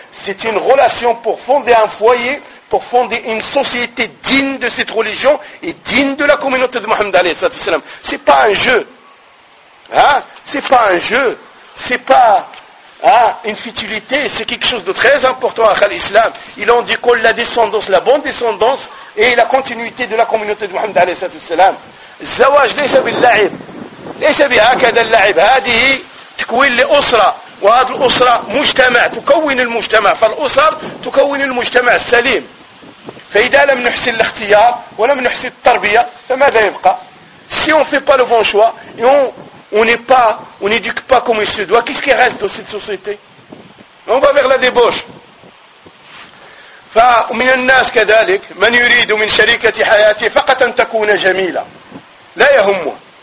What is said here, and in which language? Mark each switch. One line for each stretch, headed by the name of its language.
French: C'est une relation pour fonder un foyer, pour fonder une société digne de cette religion et digne de la communauté de Mohammed alayhi salatu wasalam. C'est pas un jeu. C'est pas un jeu. C'est pas une futilité. C'est quelque chose de très important à l'islam. Il en dit qu'on la descendance, la bonne descendance et la continuité de la communauté de Mohammed alayhi salatu wasalam.
Arabic: Zawaj laysa bil la'ib. ليس بهكذا اللعب. هذه تكوين لأسرة وهذه الأسرة مجتمع تكون المجتمع فالأسر تكون المجتمع السليم. فإذا لم نحسن الاختيار ولم نحسن التربية فماذا يبقى؟
French: si on fait pas le bon choix et on n'éduque pas comme il se doit, qu'est-ce qui reste de cette société? On va vers la débauche.
Arabic: فمن الناس كذلك من يريد من شريكة حياته فقط أن تكون جميلة لا يهمه.